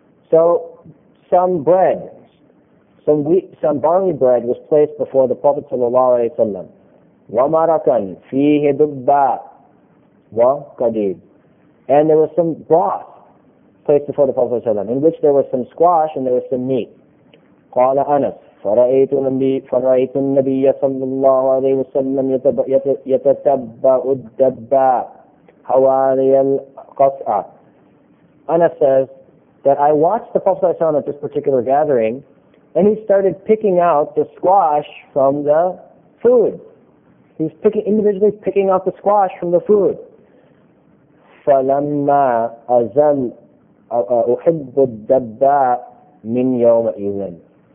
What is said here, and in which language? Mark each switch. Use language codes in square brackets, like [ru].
[en] So some bread, some barley bread was placed before the Prophet sallallahu alayhi wa sallam. [ar] وَمَرَكًا فِيهِ دُبَّا وَقَدِيدٍ. [en] And there was some broth placed before the Prophet sallallahu alayhi wa sallam, in which there was some squash and there was some meat. [ar] قال أنس فرأيت النبي صلى الله عليه وسلم يتتبع الدباء حوالي القصعة. [en] Anas says that I watched the Prophet ﷺ at this particular gathering, and he started picking out the squash from the food. He was individually picking out the squash from the food. [ar] فَلَمَّا أَزَلْ أُحِبُّ الدَّبَّاءُ مِنْ يَوْمَئِذٍ.